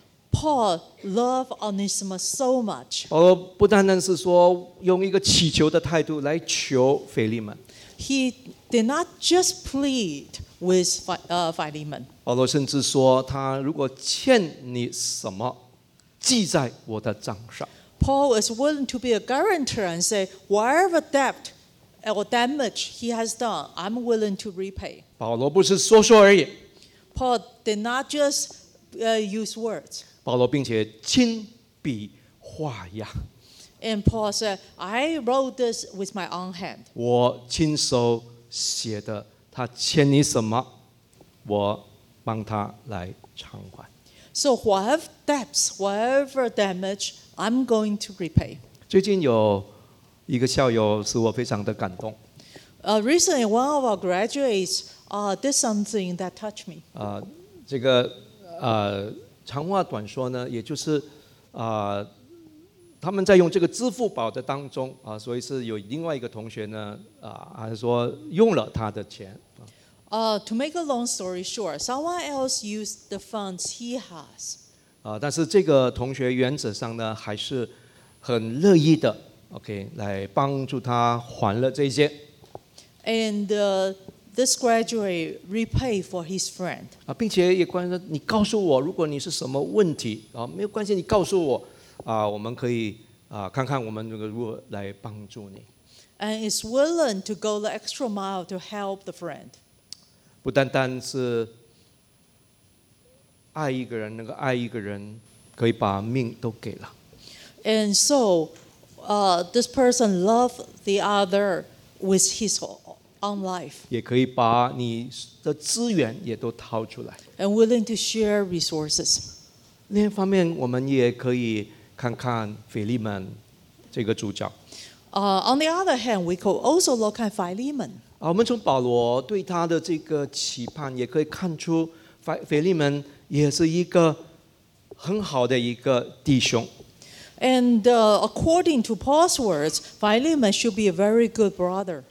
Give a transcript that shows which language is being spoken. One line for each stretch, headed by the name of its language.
English: Paul loved Onesimo so much.
Chinese: 保罗不单单是说用一个祈求的态度来求腓利门。
English: He did not just plead. With Philemon.
Chinese: 保罗甚至说他如果欠你什么，记在我的账上。
English: Paul is willing to be a guarantor and say whatever debt or damage he has done, I'm willing to repay.
Chinese: 保罗不是说说而已。
English: Paul did not just use words.
Chinese: 保罗并且亲笔画押。
English: And Paul said, I wrote this with my own hand.
Chinese: 我亲手写的。他欠你什么，我帮他来偿还。
English: So whatever debts, whatever damage, I'm going to repay.
Chinese: 最近有一个校友使我非常的感动。
English: Recently, one of our graduates did something that touched me.
Chinese: 这个长话短说呢，也就是他们在用这个支付宝的当中所以是有另外一个同学呢还是说用了他的钱。
English: To make a long story short, someone else used the funds he has.
Chinese: 但是这个同学原则上呢还是很乐意的 okay, 来帮助他还了这些。
English: And this graduate repaid for his friend.
Chinese: 并且也关于你告诉我如果你是什么问题没有关系你告诉我我们可以看看我们如何来帮助你。
English: And is willing to go the extra mile to help the friend.
Chinese: 不单单是爱一个人，能够爱一个人，可以把命都给了。
English: And so, this person loved the other with his own life.
Chinese: 也可以把你的资源也都掏出来。
English: And willing to share resources.
Chinese: 另一方面，我们也可以。看看腓利门这个主角。
English: On the other hand, we could also look at Philemon.
Chinese: 我们从保罗对他的这个期盼，也可以看出腓利门也是一个很好的一个弟兄。
English: And according to Paul's words, Philemon should be a very good brother.